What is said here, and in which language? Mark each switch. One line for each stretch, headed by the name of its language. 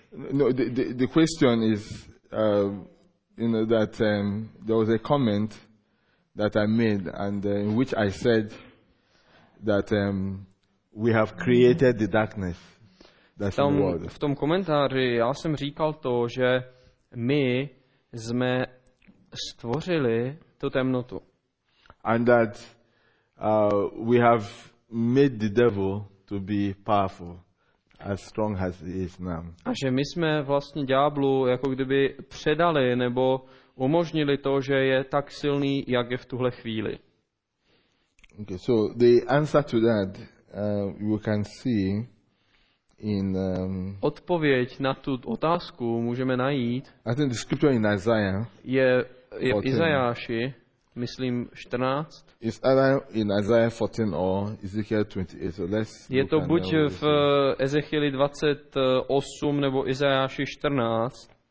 English: No, the question is there was a comment that I made and in which I said that we have created the darkness. That's
Czech: tam,
English: the word.
Czech: V tom komentáři já jsem říkal to, že my jsme stvořili tu temnotu.
English: And that we have made the devil to be powerful. As strong as he is now.
Czech: A že my jsme vlastně ďáblu jako kdyby předali nebo umožnili to, že je tak silný, jak je v tuhle chvíli.
English: Okay, so the answer to that you can see in
Czech: odpověď na tu otázku můžeme najít.
English: I think the scripture in Isaiah.
Czech: Je v Izajáši, myslím 14.
English: Is either in Isaiah 14 or Ezekiel 28. So let's
Czech: je to buď v Ezechieli 28 nebo Izajáši 14.